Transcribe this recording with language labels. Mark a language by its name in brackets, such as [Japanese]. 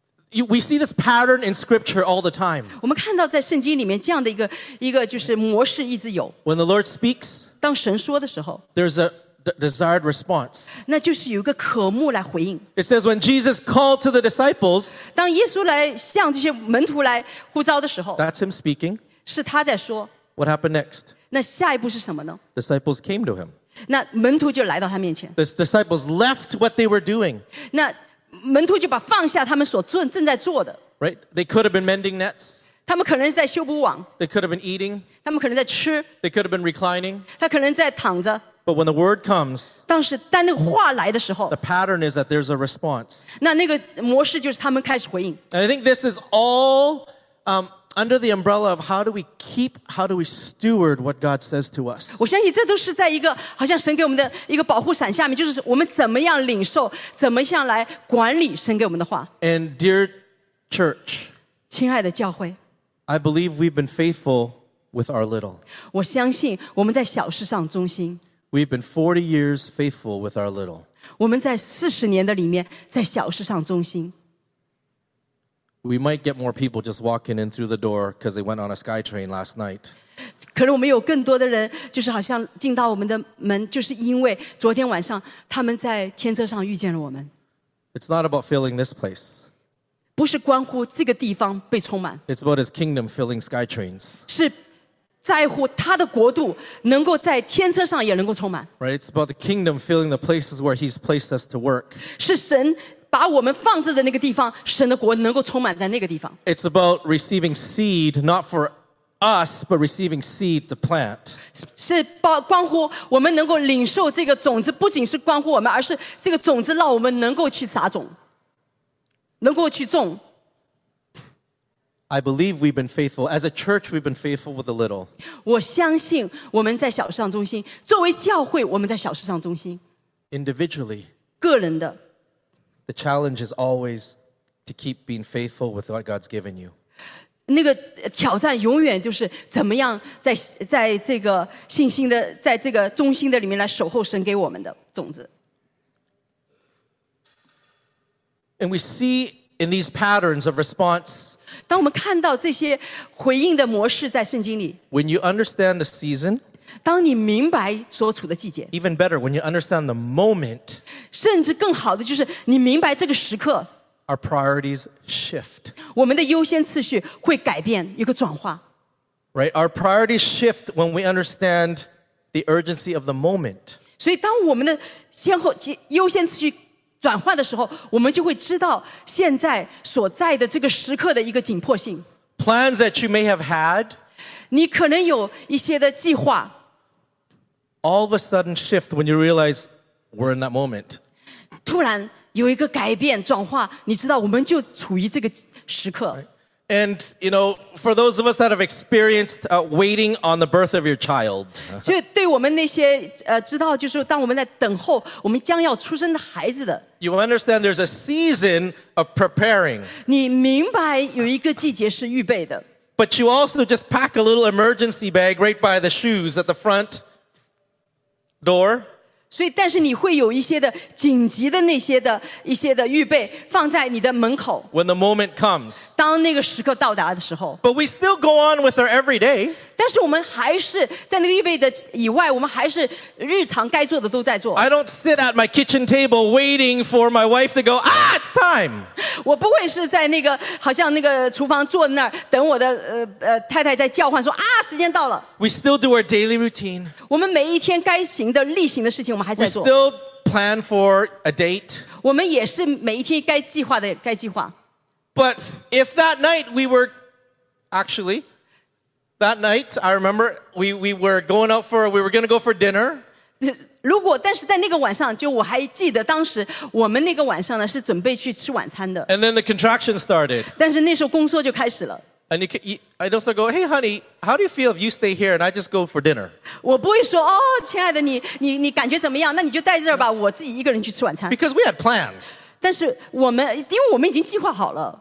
[English] We see this pattern in scripture all the time. [Chinese] 我们看到在圣经里面这样的一个就是模式一直有 [English] When the Lord speaks, [Chinese] 当神说的时候 [English] there's a desired response. [Chinese] 那就是有一个渴慕来回应 [English] It says when Jesus called to the disciples, [Chinese] 当耶稣来向这些门徒来呼召的时候 [English] That's him speaking. [Chinese] 是他在说 [English] What happened next? [Chinese] 那下一步是什么呢 [English] Disciples came to him. [Chinese] 那门徒就来到他面前。 [English] The disciples left what they were doing. [Chinese] 那门徒就把放下他们所正在做的。 [English] Right? They could have been mending nets. [Chinese] 他们可能在修补网。 [English] They could have been eating. [Chinese] 他们可能在吃。 [English] They could have been reclining. [Chinese] 他可能在躺着。 [English] But when the word comes, [Chinese] 当时当那个话来的时候 [English] the pattern is that there's a response. [Chinese] 那个模式就是他们开始回应。 [English] And I think this is all under the umbrella of how do we steward what God says to us? [Chinese] 我相信这都是在一个好像神给我们的一个保护伞下面，就是我们怎么样领受，怎么样来管理神给我们的话。 [English] And dear church, [Chinese] 亲爱的教会 [English] I believe we've been faithful with our little. [Chinese] 我相信我们在小事上忠心。 [English] We've been 40 years faithful with our little. [Chinese] 我们在40年的里面在小事上忠心。 [English] We might get more people just walking in through the door because they went on a sky train last night. [Chinese] 可能我们有更多的人就是好像进到我们的门就是因为昨天晚上他们在天车上遇见了我们。 [English] It's not about filling this place. [Chinese] 不是关乎这个地方被充满。 [English] It's about his kingdom filling sky trains. [Chinese] 是在乎他的国度能够在天车上也能够充满。 [English] Right, it's about the kingdom filling the places where he's placed us to work. [Chinese] 是神把我们放置的那个地方，神的国能够充满在那个地方。 [English] It's about receiving seed, not for us, but receiving seed to plant. [Chinese] 是关乎我们能够领受这个种子，不仅是关乎我们，而是这个种子让我们能够去撒种，能够去种。 [English] I believe we've been faithful. As a church, we've been faithful with a little. [Chinese] 我相信我们在小事上忠心。作为教会，我们在小事上忠心。 [English] Individually. [Chinese] 个人的。 [English] The challenge is always to keep being faithful with what God's given you. [Chinese] 那个挑战永远就是怎么样在这个信心的在这个忠心的里面来守候神给我们的种子。 [English] And we see in these patterns of response. [Chinese] 当我们看到这些回应的模式在圣经里。 [English] When you understand the season. [Chinese] 当你明白所处的季节 [English] Even better, when you understand the moment [Chinese] 甚至更好的就是你明白这个时刻 [English] Our priorities shift [Chinese] 我们的优先次序会改变一个转化 [English] Right, our priorities shift when we understand the urgency of the moment [Chinese] 所以当我们的先后优先次序转化的时候我们就会知道现在所在的这个时刻的一个紧迫性 [English] Plans that you may have had [Chinese] 你可能有一些的计划 [English] All of a sudden shift when you realize we're in that moment. [Chinese] 突然有一个改变转化你知道我们就处于这个时刻 [English] Right. And, you know, for those of us that have experienced waiting on the birth of your child, [Chinese] 所以对我们那些知道就是当我们在等候我们将要出生的孩子的, [English] you understand there's a season of preparing. [Chinese] 你明白有一个季节是预备的, [English] but you also just pack a little emergency bag right by the shoes at the front door. [Chinese] 所以但是你会有一些的紧急的那些的一些的预备放在你的门口, [English] when the moment comes. [Chinese] 当那个时刻到达的时候, [English] but we still go on with our everyday. [Chinese] 但是我们还是在那个预备的以外, 我们还是日常该做的都在做。 [English] I don't sit at my kitchen table waiting for my wife to go, ah, it's time. [Chinese] 我不会是在那个好像那个厨房坐那儿, 等我的太太在叫唤说, 啊, 时间到了。 [English] We still do our daily routine. [Chinese] 我们每一天该行的例行的事情, [English] we still plan for a date. [Chinese] 我们也是每一天该计划的,该计划。 [English] But if that night we were, actually, that night, I remember, we were going to go for dinner. [Chinese] 如果, 但是在那个晚上, 就我还记得当时我们那个晚上呢, 是准备去吃晚餐的。 [English] And then the contraction started. [Chinese] 但是那时候宫缩就开始了。 [English] And I don't go, hey, honey, how do you feel if you stay here and I just go for dinner? [Chinese] 我不会说, oh, 亲爱的, 你感觉怎么样?那你就待这儿吧, 我自己一个人去吃晚餐。 [English] Because we had plans. [Chinese] 但是我们, 因为我们已经计划好了。